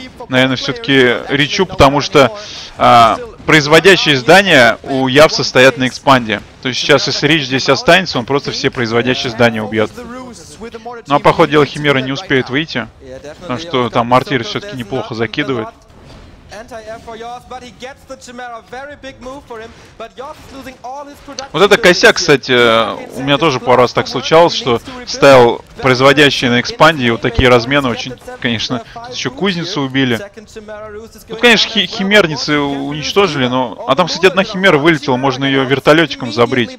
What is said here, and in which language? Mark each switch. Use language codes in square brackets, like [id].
[ru] Наверное, все-таки Ричу, потому что производящие здания у Явса стоят на экспанде. То есть сейчас, если Рич здесь останется, он просто все производящие здания убьет. Ну, а по ходу дела, Химера не успеет выйти, потому что там мартиры все-таки неплохо закидывает. [en] anti-air for Yoz, but he gets the Chimera. Very big move for him, but Yoz is losing all his production. [ru] Вот это косяк, кстати, у меня тоже пару раз так случалось, что ставил производящие на экспанде, и вот такие размены очень, конечно, еще кузницу убили. Тут, конечно, химерницы уничтожили, но... А там, кстати, одна химера вылетела, можно ее вертолетиком забрить.